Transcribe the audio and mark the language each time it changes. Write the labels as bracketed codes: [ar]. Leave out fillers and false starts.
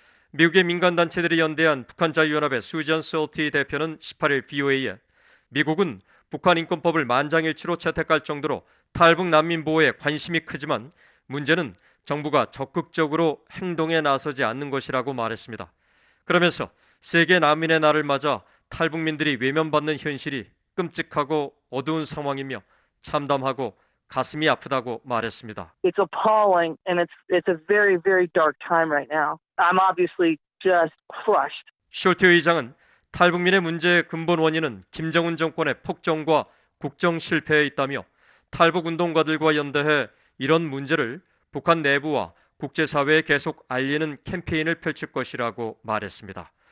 [ko] 미국의 민간단체들이 연대한 북한자유연합의 수잔 솔티 대표는 18일 VOA에 미국은 북한 인권법을 만장일치로 채택할 정도로 탈북 난민 보호에 관심이 크지만 문제는 정부가 적극적으로 행동에 나서지 않는 것이라고 말했습니다. 그러면서 세계 난민의 날을 맞아 탈북민들이 외면받는 현실이 끔찍하고 어두운 상황이며 참담하고 가슴이 아프다고 말했습니다. [en] It's appalling and it's a very very dark time right now. I'm obviously just crushed. [ko] 숄트 의장은 탈북민의 문제의 근본 원인은 김정은 정권의 폭정과 국정 실패에 있다며 탈북 운동가들과 연대해 이런 문제를 북한 내부와 국제사회에 계속 알리는 캠페인을 펼칠 것이라고 말했습니다.